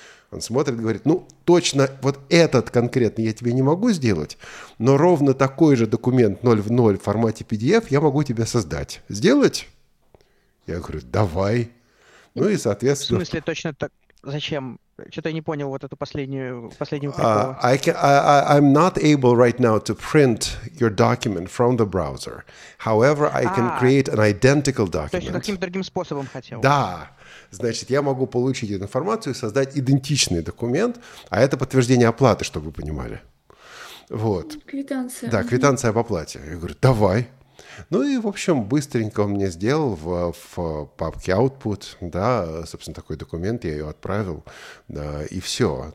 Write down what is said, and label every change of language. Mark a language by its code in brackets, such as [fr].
[ru] Он смотрит и говорит, ну, точно вот этот конкретный я тебе не могу сделать, но ровно такой же документ 0 в 0 в формате PDF я могу тебе создать. Сделать? Я говорю, давай. Ну и, соответственно... В смысле, точно так? Зачем? Что-то я не понял вот эту последнюю приколу. [en] I'm not able right now to print your document from the browser. However, I can create an identical document. [ru] То есть каким-то другим способом хотел. Да. Значит, я могу получить эту информацию и создать идентичный документ, а это подтверждение оплаты, чтобы вы понимали. Вот. Квитанция. Да, квитанция об оплате. Я говорю, давай. Ну и, в общем, быстренько он мне сделал в папке output, да, собственно, такой документ, я ее отправил, да, и все.